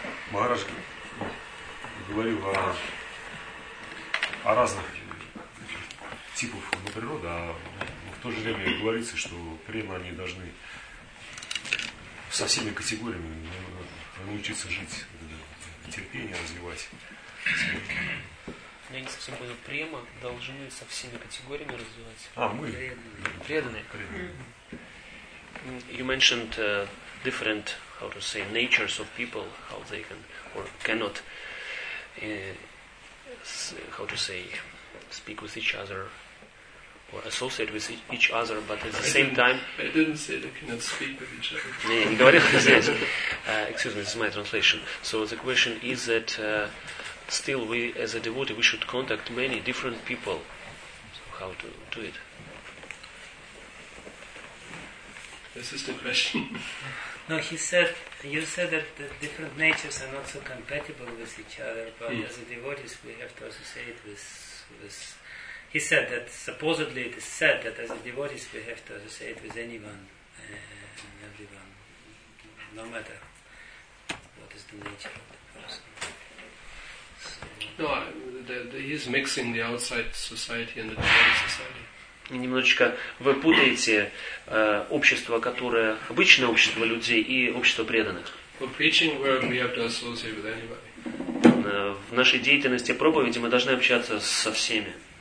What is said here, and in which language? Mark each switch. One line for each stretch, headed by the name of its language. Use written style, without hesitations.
Russian: Махарадж говорил о разных типах природы, а в то же время говорится, что према они должны со всеми категориями научиться жить, терпение развивать. Я не совсем понял, према должны со всеми категориями развивать. А, мы преданные.
English: You mentioned different, how to say, natures of people, how they can or cannot, how to say, speak with each other or associate with each other, but at the same time... I didn't say they cannot speak with each other. Yeah, you got it? Yes. Excuse me, this is my translation. So the question is that still we, as a devotee, we should contact many different people. So how to do it? This is the question. No, he said, you said that the different natures are not so compatible with each other, but yes, as a devotees we have to associate with... He said that, supposedly it is said that as a devotees we have to associate with anyone, everyone, no matter what is the nature of the person. So, no, he is mixing the outside society and the devotee society.
Russian: Немножечко вы путаете общество, которое обычное общество людей и общество преданных. В нашей деятельности проповеди мы должны общаться со всеми.